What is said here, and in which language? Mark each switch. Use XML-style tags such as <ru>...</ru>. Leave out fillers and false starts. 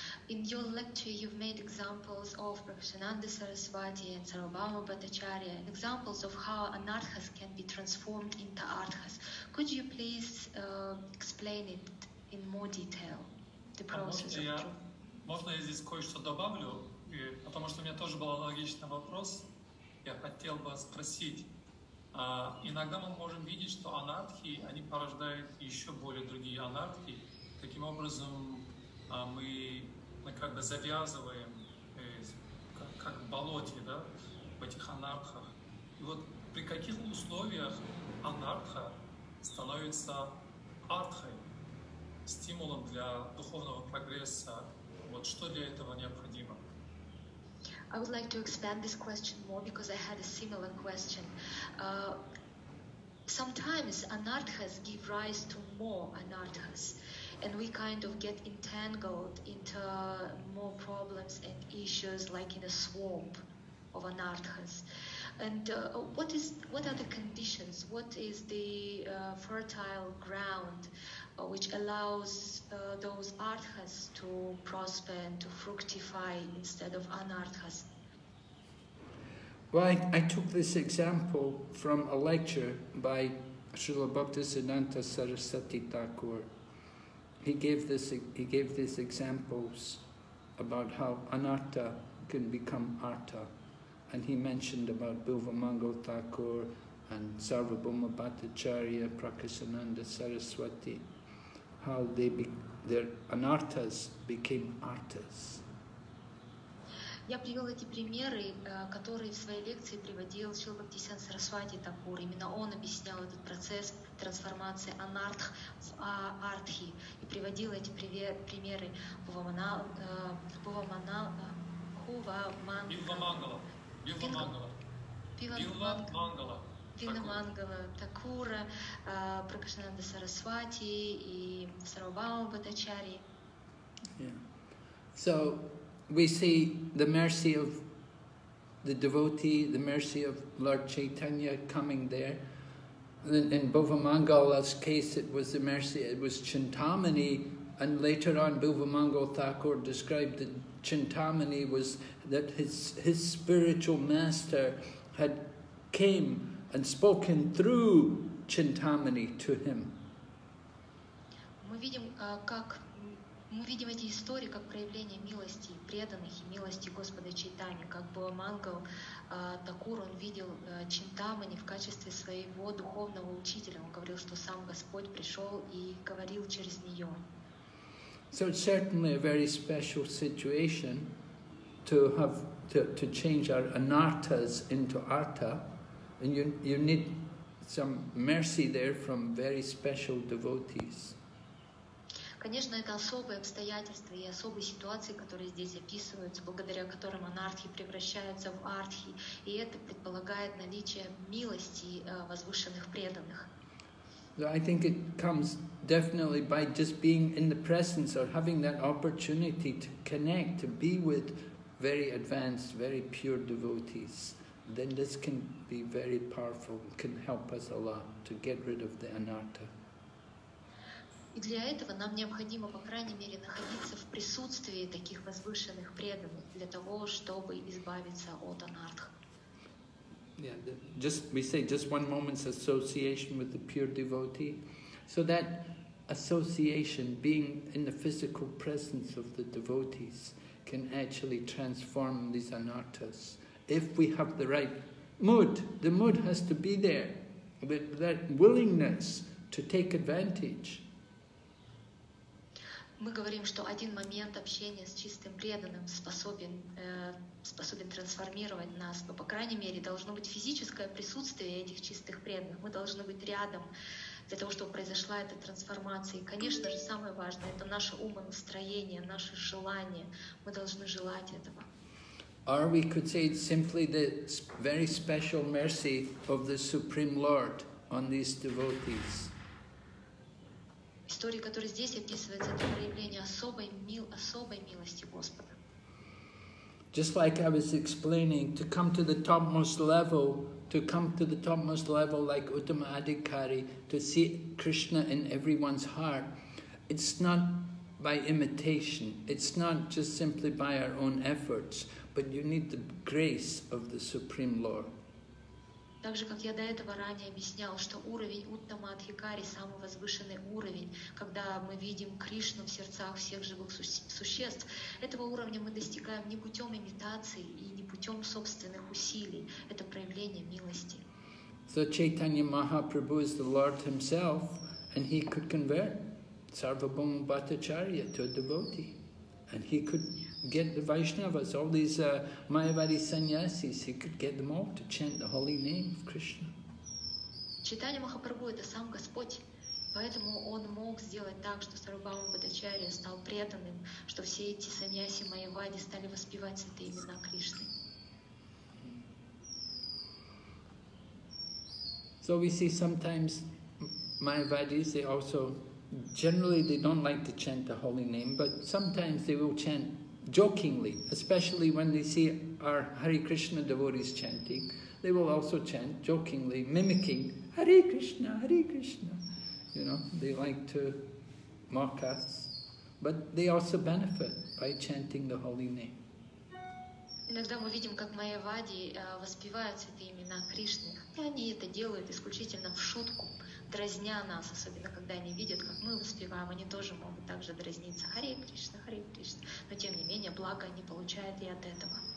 <en>In your lecture you've made examples of Prabhupada Sarasvati and Sarvabhauma Bhattacharya, and examples of how anarthas can be transformed into arthas. Could you please explain it in more detail, the process of truth?</en> <ru>Можно я здесь кое-что добавлю, потому что у меня тоже был аналогичный вопрос. Я хотел бы спросить, иногда мы можем видеть, что анархи, они порождают еще более другие анархи. Таким образом, мы как бы завязываем, как в болоте, да, в этих анархах. И вот при каких условиях анарха становится артхой, стимулом для духовного прогресса? Вот что для этого необходимо?</ru> <en>I would like to expand this question more because I had a similar question. Sometimes anarthas give rise to more anarthas, and we kind of get entangled into more problems and issues, like in a swamp of anarthas. And what are the conditions? What is the fertile ground which allows those arthas to prosper and to fructify instead of anarthas? Well, I took this example from a lecture by Srila Bhaktisiddhanta Sarasvati Thakur. He gave these examples about how anartha can become artha. And he mentioned about Bhuva Mangal Thakur and Sarvabhauma Bhattacharya, Prakasananda Saraswati, how their anarthas became artas.</en> <ru>Я привел эти примеры, которые в своей лекции приводил Шрила Бхактисиддханта Сарасвати Такур. Именно он объяснял этот процесс трансформации анартх в артхи и приводил эти примеры Бхува Мангала, Такура, Пракашананда Сарасвати и Сарвабхаума Бхаттачарьи.</ru> <en>So we see the mercy of the devotee, the mercy of Lord Chaitanya coming there. In Bhuva Mangala's case, it was Chintamani, and later on Bhuva Mangala Thakur described that Chintamani was that his spiritual master had came and spoken through Chintamani to him.</en> <ru>Мы видим эти истории как проявление милости преданных и милости Господа Чайтани, как Бхува Мангал Такур, он видел Чинтамани в качестве своего духовного учителя. Он говорил, что сам Господь пришел и говорил через нее.</ru> <en>So it's certainly a very special situation to change our anarthas into artha, and you need some mercy there from very special devotees.</en> <ru>Конечно, это особые обстоятельства и особые ситуации, которые здесь описываются, благодаря которым анархи превращаются в артхи, и это предполагает наличие милости возвышенных преданных.</ru> <en>So I think it comes definitely by just being in the presence or having that opportunity to connect, to be with very advanced, very pure devotees. Then this can be very powerful, can help us a lot to get rid of the anartha.</en> <ru>И для этого нам необходимо, по крайней мере, находиться в присутствии таких возвышенных преданных для того, чтобы избавиться от анартх.</ru> <en>Yeah, just one moment's association with the pure devotee. So that association, being in the physical presence of the devotees, can actually transform these anarthas. If we have the right mood, the mood has to be there, with that willingness to take advantage.</en> <ru>Мы говорим, что один момент общения с чистым преданным способен трансформировать нас, но, по крайней мере, должно быть физическое присутствие этих чистых преданных. Мы должны быть рядом для того, чтобы произошла эта трансформация. И, конечно же, самое важное — это наше умонастроение, наше желание. Мы должны желать этого.</ru> <en>Or we could say it's simply the very special mercy of the Supreme Lord on these devotees.</en> <ru>История, которая здесь описывается, это проявление особой милости Господа.</ru> <en>Just like I was explaining, to come to the topmost level to come to the topmost level like Uttama Adhikari, to see Krishna in everyone's heart, it's not by imitation, it's not just simply by our own efforts, but you need the grace of the Supreme Lord.</en> <ru>Так же, как я до этого ранее объяснял, что уровень Уттама Адхикари, самый возвышенный уровень, когда мы видим Кришну в сердцах всех живых существ, этого уровня мы достигаем не путем имитации и не путем собственных усилий. Это проявление милости.</ru> <en>So Chaitanya Mahaprabhu is the Lord himself, and he could convert Sarvabhum Bhattacharya to a devotee. And he could get the Vaishnavas, all these Mayavadi sannyasis, he could get them all to chant the holy name of Krishna.</en> <ru>Chaitanya Mahaprabhu – это сам Господь, поэтому он мог сделать так, что Сарвабхаума Бхаттачарья стал преданным, что все эти сannyasi Mayavadi стали воспевать святые имена Кришны.</ru> <en>So we see sometimes Mayavadis, they also generally, they don't like to chant the holy name, but sometimes they will chant jokingly, especially when they see our Hare Krishna devotees chanting. They will also chant jokingly, mimicking, Hare Krishna, Hare Krishna. You know, they like to mock us, but they also benefit by chanting the holy name.</en> <ru>Иногда мы видим, как Майявади воспевают святые имена Кришны, и они это делают исключительно в шутку, дразня нас, особенно когда они видят, как мы воспеваем, они тоже могут также дразниться. Харе Кришна, Харе Кришна. Но тем не менее, благо они получают и от этого.</ru>